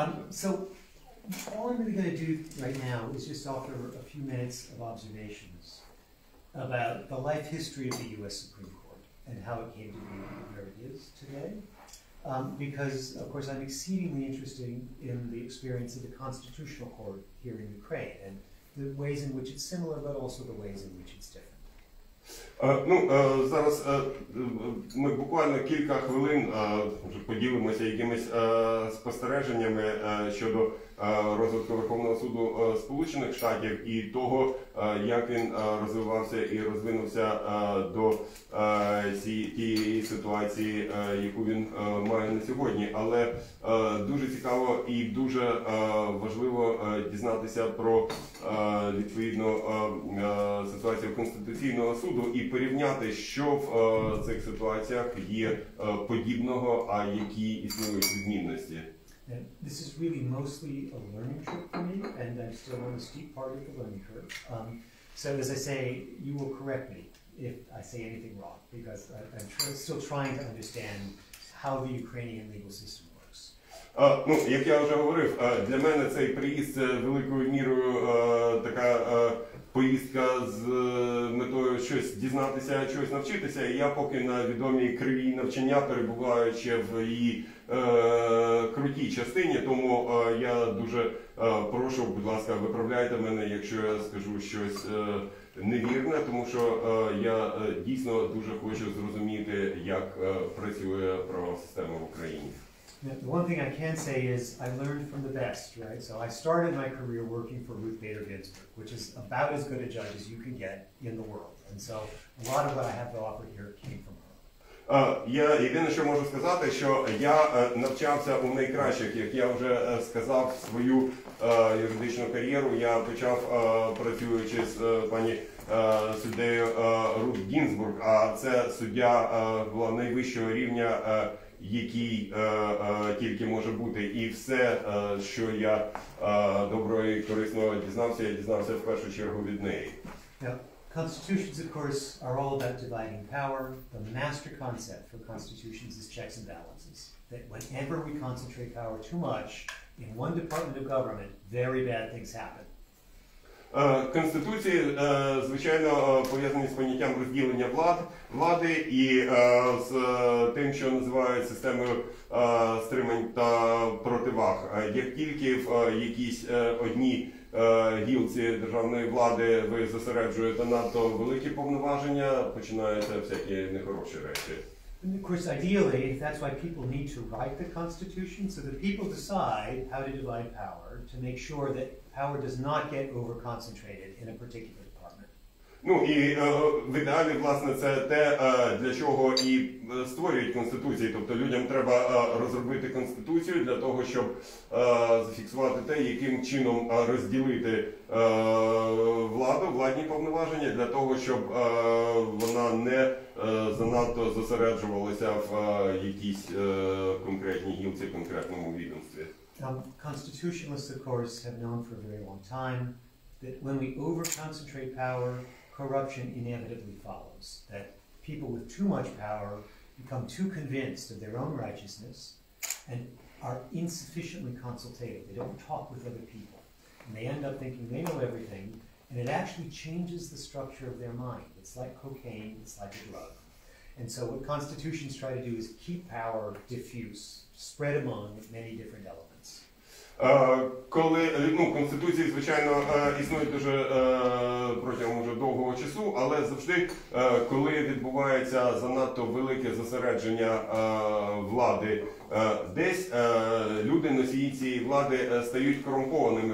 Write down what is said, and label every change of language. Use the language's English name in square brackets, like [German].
[English] So all I'm really going to do right now is just offer a few minutes of observations about the life history of the U.S. Supreme Court and how it came to be where it is today. Because, of course, I'm exceedingly interested in the experience of the Constitutional Court here in Ukraine and the ways in which it's similar, but also the ways in which it's different. [Ukrainian] Зараз ми буквально кілька хвилин поділимося якимись спостереженнями щодо розвитку Верховного суду Сполучених Штатів і того, як він розвивався і розвинувся до тієї ситуації, яку він має на сьогодні. Але дуже цікаво і дуже важливо дізнатися про відповідно ситуацію Конституційного суду і порівняти, що в цих ситуаціях є подібного, а які існують відмінності. [English] And this is really mostly a learning trip for me, and I'm still on a steep part of the learning curve. So as I say, you will correct me if I say anything wrong, because I'm still trying to understand how how the Ukrainian legal system works. [Ukrainian] Ну, як я вже говорив, для мене цей приїзд великою мірою така поїздка з метою щось дізнатися, чогось навчитися. І я поки на відомій кривій навчання, перебуваючи в її крутій частині, тому я дуже прошу, будь ласка, виправляйте мене, якщо я скажу щось невірне, тому що я дійсно дуже хочу зрозуміти, як працює правова система в Україні. [English] The one thing I can say is I learned from the best, right? So I started my career working for Ruth Bader Ginsburg, which is about as good a judge as you can get in the world. And so a lot of what I have to offer here came from her. [Ukrainian] Я єдине, що можу сказати, що я навчався у найкращих. Як я вже сказав, свою юридичну кар'єру я почав працюючи з пані суддею Рут Гінзбург, а це суддя була найвищого рівня, який тільки може бути. І все, що я доброго і корисного дізнався в першу чергу від неї. [English] Constitutions, of course, are all about dividing power. The master concept for constitutions is checks and balances. That whenever we concentrate power too much in one department of government, very bad things happen. [Ukrainian] Конституції, звичайно, пов'язані з поняттям розділення влади і з тим, що називають системою стримань та противаг. Як тільки в якісь одні гілці державної влади ви зосереджуєте надто великі повноваження, починаються всякі нехороші речі. [English] And of course, ideally, that's why people need to write the Constitution, so that people decide how to divide power, to make sure that power does not get over-concentrated in a particular department. [Ukrainian] Ну, і в ідеалі, власне, це те, для чого і створюють Конституцію. Тобто людям треба розробити Конституцію для того, щоб зафіксувати те, яким чином розділити владу, владні повноваження, для того, щоб вона не занадто зосереджувалися в якійсь конкретній гілці, конкретному відомстві. [English] Constitutionalists, of course, have known for a very long time that when we over-concentrate power, corruption inevitably follows. That people with too much power become too convinced of their own righteousness and are insufficiently consultative. They don't talk with other people. And they end up thinking they know everything, and it actually changes the structure of their mind. It's like cocaine, it's like a drug. And so what constitutions try to do is keep power diffuse, spread among many different elements. [Ukrainian] Коли, ну, Конституції, звичайно, існують дуже протягом вже довгого часу, але завжди, коли відбувається занадто велике зосередження влади десь, люди, носії цієї влади, стають корумпованими.